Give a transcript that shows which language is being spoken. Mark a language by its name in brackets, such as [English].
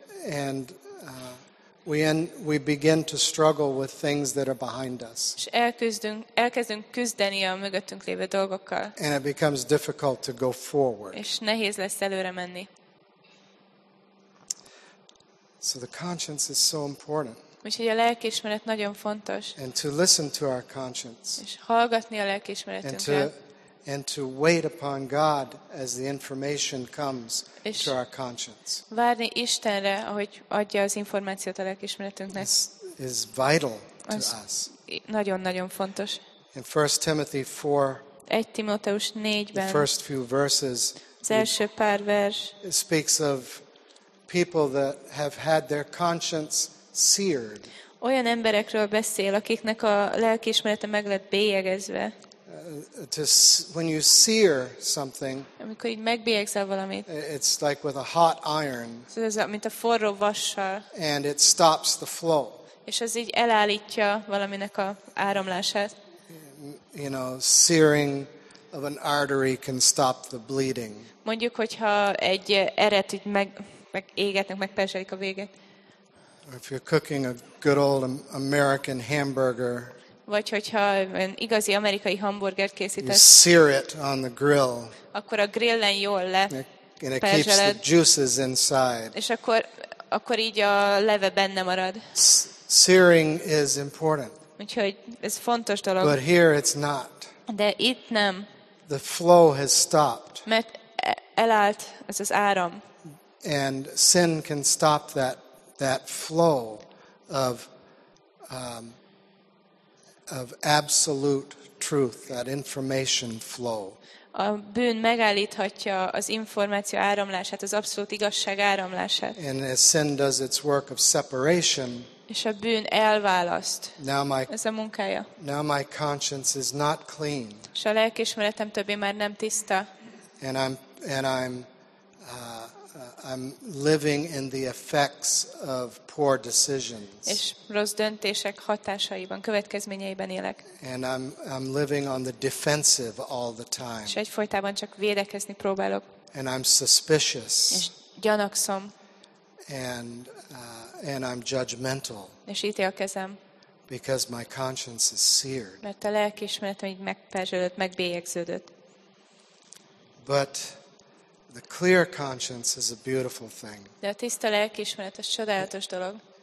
[English] And we begin to struggle with things that are behind us. [Hungarian] És elkezdünk küzdeni a mögöttünk lévő dolgokkal. [English] And it becomes difficult to go forward. [Hungarian] És nehéz lesz előre menni. [English] So the conscience is so important. [Hungarian] Úgyhogy a lelkiismeret nagyon fontos. [English] And to listen to our conscience. [Hungarian] És hallgatni a lelkiismeretünkre. [English] And to wait upon God as the information comes to our conscience. [Hungarian] Várni Istenre, ahogy adja az információt a lelkiismeretünknek. [English] This is vital to us. [Hungarian] Nagyon-nagyon fontos. [English] In 1 Timothy 4, [Hungarian] 1 Timóteus 4-ben, [English] the first few verses, [Hungarian] az első pár vers, [English] it speaks of people that have had their conscience seared. [Hungarian] Olyan emberekről beszél, akiknek a lelkiismerete meg lett bélyegezve. [English] When you sear something, [Hungarian] amikor így megbélyegzel valamit, [English] it's like with a hot iron, [Hungarian] mint a forró vassal, [English] and it stops the flow, [Hungarian] és az így elállítja valaminek a áramlását. [English] You know, searing of an artery can stop the bleeding. [Hungarian] Mondjuk, hogyha egy eret így meg égetnek, megperzselik a véget. [English] If you're cooking a good old American hamburger, [Hungarian] vagy hogyha egy igazi amerikai hamburgert készítesz, [English] you sear it on the grill, [Hungarian] akkor a grillen jól le [English] and it keeps the juices inside. [Hungarian] És akkor így a leve benne marad. [English] Searing is important. [Hungarian] Úgyhogy ez fontos dolog. [English] But here it's not. [Hungarian] De itt nem. [English] The flow has stopped. [Hungarian] Mert elállt ez az áram. [English] And sin can stop that flow of absolute truth, that information flow. [Hungarian] A bűn megállíthatja az információ áramlását, az abszolút igazság áramlását. [English] And as sin does its work of separation, [Hungarian] és a bűn elválaszt. Ez a munkája. [English] Now my conscience is not clean. [Hungarian] És a lelkiismeretem többé már nem tiszta. [English] And I'm living in the effects of poor decisions. [Hungarian] És rossz döntések hatásaiban, következményeiben élek. [English] And I'm living on the defensive all the time. [Hungarian] És egyfolytában csak védekezni próbálok. [English] And I'm suspicious. [Hungarian] És gyanakszom. [English] And I'm judgmental. [Hungarian] És ítélkezem. [English] Because my conscience is seared. [Hungarian] Mert a lelkiismeretem így megperzselődött, megbélyegződött. [English] But the clear conscience is a beautiful thing. [Hungarian] De a tiszta lelkiismeret az csodálatos dolog.